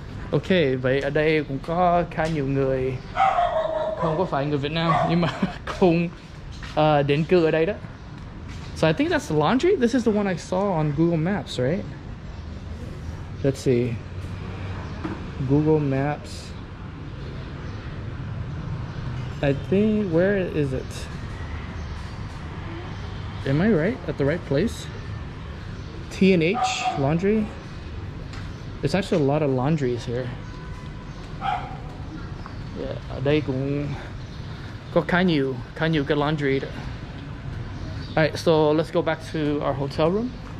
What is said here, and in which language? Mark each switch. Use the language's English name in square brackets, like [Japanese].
[Vietnamese] Okay, vậy ở đây cũng có khá nhiều người không có phải người Việt Nam nhưng mà cũng đến cư ở đây đó. [English] So I think that's the laundry. This is the one I saw on Google Maps, right? Let's see. Google Maps. I think, where is it? Am I right? At the right place? T&H laundry? There's actually a lot of laundries here. [Vietnamese] Yeah, đây cũng có khá nhiều cái laundry. [English] Alright, so let's go back to our hotel room.